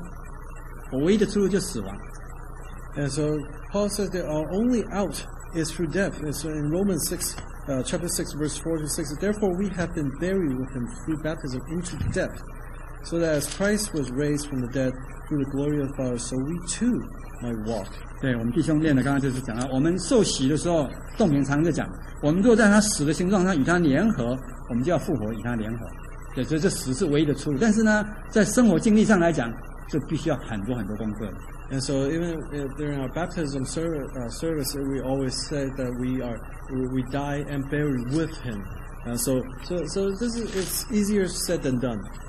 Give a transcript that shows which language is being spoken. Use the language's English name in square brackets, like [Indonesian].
[Chinese] 也就是说，这个是要保罗的经历里面让我们看见，我们这个人唯一的出路就是死。我们本来是很爱生命的，我们本来很怕死的人。今天我们这个年纪，常常在想怎么样怎么能够养生啊。所以我们是很怕死的人，但是呢，保罗说，我唯一的出路就是死亡。And [English] so Paul said that our only out is through death. And so in Romans 6, chapter 6, verse 4-6, therefore we have been buried with him through baptism into death, so that as Christ was raised from the dead through the glory of the Father, so we too might walk. [Chinese] 对，我们弟兄练的刚刚就是讲了，我们受洗的时候，洞庭常常在讲，我们若在他死的形状上与他联合，我们就要复活与他联合。对，所以这死是唯一的出路。但是呢，在生活经历上来讲，就必须要很多很多功课。And [English] so even during our baptism service, we always say that we die and bury with him. So this is it's easier said than done.